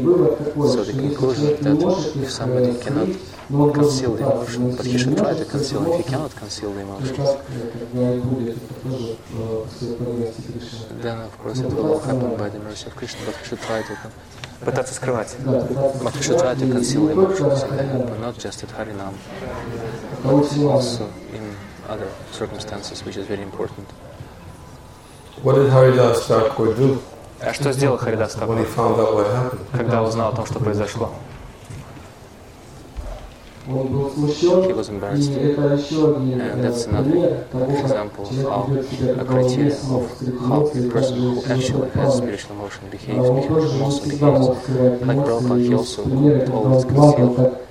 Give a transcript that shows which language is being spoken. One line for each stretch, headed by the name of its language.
English: So the conclusion is that if somebody cannot conceal the emotion, but he should try to conceal, if he cannot conceal the emotion, then of course it will all happen by the mercy of Krishna, but he should try to
Russian: пытаться скрывать.
English: But we should try to conceal emotions, but not just at Harinam, but also in other circumstances, which is very important. What did Haridas Thakur do?
Russian: А что сделал Харидас Такур?
English: When he found out what happened.
Russian: Когда узнал о том, что произошло.
English: He was embarrassed. And that's another example of how a criteria of how a person who actually has spiritual emotion behaves. Because he also behaves like Prabhupada, he also couldn't always conceal